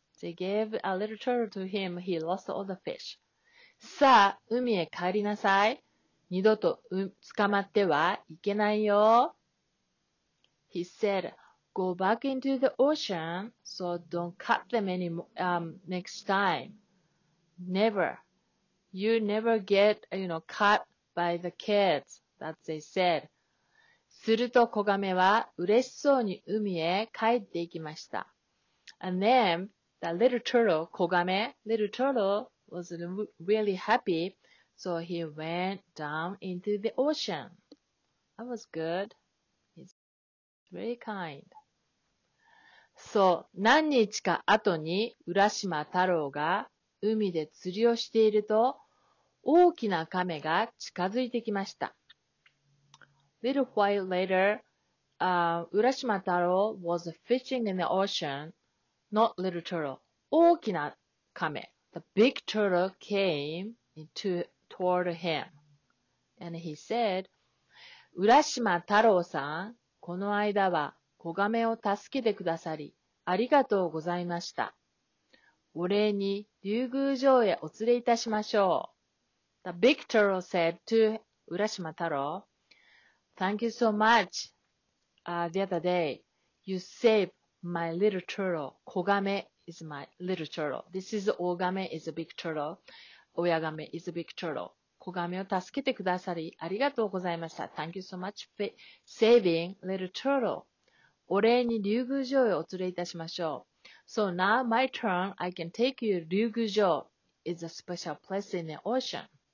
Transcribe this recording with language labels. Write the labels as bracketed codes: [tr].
[en] They gave a little turtle to him, he lost all the fish. [ja] さあ、海へ帰りなさい。二度と捕まってはいけないよ。 [en] He said, go back into the ocean, so don't catch them next time. Never. You never get, you know, caught by the kids, that they said. [ja] すると子亀は嬉しそうに海へ帰っていきました。 [en] And then, the little turtle, 子亀, little turtle was really happy. So he went down into the ocean. That was good. He's very kind. [ja] So, 何日か後に浦島太郎が海で釣りをしていると大きな亀が近づいてきました。 [en] Little while later, 浦島太郎 was fishing in the ocean. Not little turtle. [ja] 大きな亀。 [en] The big turtle came into toward him. And he said, [ja] Urashima Taro-san, この間は子亀を助けてくださり、ありがとうございました。お礼に竜宮城へお連れいたしましょう。 [en] The big turtle said to 浦島太郎, Thank you so much, the other day. You saved my little turtle. 子亀 is my little turtle. This is 大亀 is a big turtle. 親亀 is a big turtle. [ja] 子亀を助けてくださりありがとうございました。 [en] Thank you so much for saving little turtle. [ja] お礼に竜宮城へお連れいたしましょう。 [en] So now my turn, I can take you 竜宮城 is a special place in the ocean.